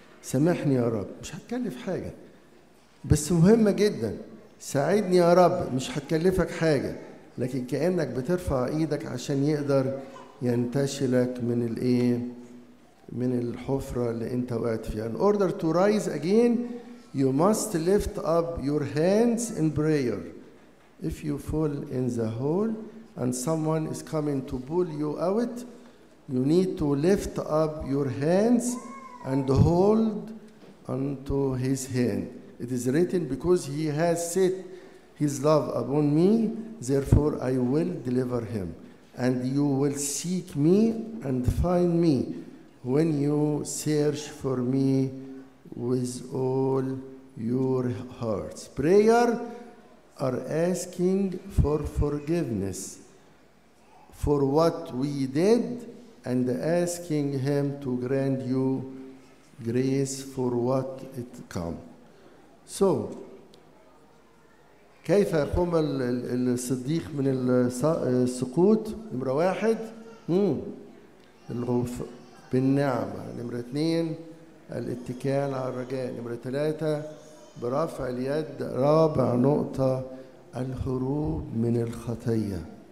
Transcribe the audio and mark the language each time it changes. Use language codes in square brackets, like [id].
[ar] سامحني يا رب، مش هتكلف حاجة، بس مهمة جدا. ساعدني يا رب، مش هتكلفك حاجة، لكن كأنك بترفع ايدك عشان يقدر ينتشلك من الايه؟ من الحفرة اللي أنت وقعت فيها. [en] In order to rise again, you must lift up your hands in prayer. If you fall in the hole and someone is coming to pull you out, you need to lift up your hands and hold onto his hand. It is written, because he has set his love upon me, therefore I will deliver him. And you will seek me and find me when you search for me with all your hearts. Prayer are asking for forgiveness for what we did and asking him to grant you grace for what it come. So, [ar] كيف يقوم الصديق من السقوط؟ نمرة 1 الغفران بالنعمة، نمرة 2 الاتكال على الرجاء، نمرة 3 برفع اليد، رابع نقطة الهروب من الخطية.